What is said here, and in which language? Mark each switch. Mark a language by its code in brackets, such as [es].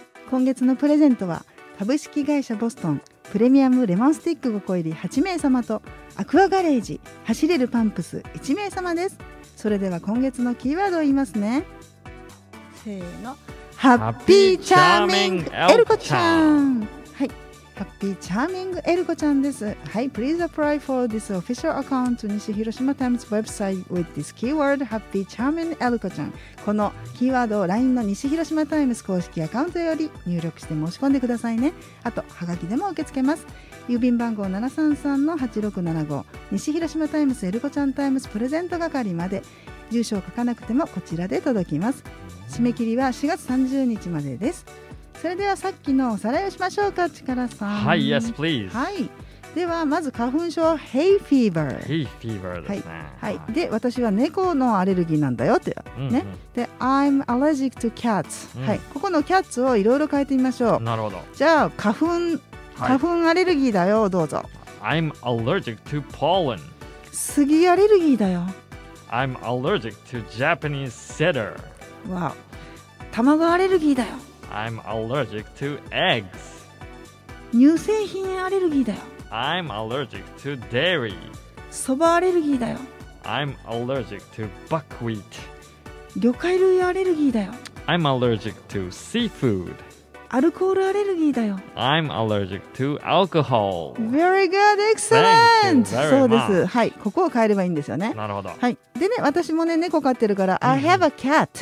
[ja] 今月のプレゼントは株式会社ボストンプレミアムレモンスティック5個入り8名様とアクアガレージ走れるパンプス1名様です。それでは今月のキーワードを言いますね。せーの、ハッピーチャーミングエルコちゃん。はい、ハッピーチャーミングエルコちゃんです。 [en] はい、 Please apply for this official account 西広島 Times website with this keyword ハッピーチャーミングエルコちゃん。 [ja] このキーワードを LINE の西広島 Times 公式アカウントより入力して申し込んでくださいね。あとハガキでも受け付けます。郵便番号 733-8675 西広島 Times エルコちゃん Times プレゼント係まで。住所を書かなくてもこちらで届きます。締め切りは4月30日までです。それではさっきのおさらいをしましょうか、チカラさん。はい、 [en] yes please。 [ja] はい、ではまず花粉症、ヘイフィーバー。ヘイフィーバーですね、はいはい、で私は猫のアレルギーなんだよって、うんうん、ね、で [en] I'm allergic to cats、 [ja] うん、はい、ここのキャッツをいろいろ変えてみましょう。なるほど。じゃあ花粉アレルギーだよ、どうぞ。 [en] I'm allergic to pollen。 [ja] 杉アレルギーだよ。 [en] I'm allergic to Japanese cedar. Wow. [ja] 卵アレルギーだよ。 [en] I'm allergic to eggs. [ja] 乳製品アレルギーだよ。 [en] I'm allergic to dairy. [ja] 蕎麦アレルギーだよ。 [en] I'm allergic to buckwheat. [ja] 魚介類アレルギーだよ。 [en] I'm allergic to seafood. [ja] アルコールアレルギーだよ。 [en] I'm allergic to alcohol. Very good, excellent. Thank you very much. [ja] そうです、はい、ここを変えればいいんですよね。なるほど、はい、でね、私もね猫飼ってるから、 [en] mm-hmm. I have a cat.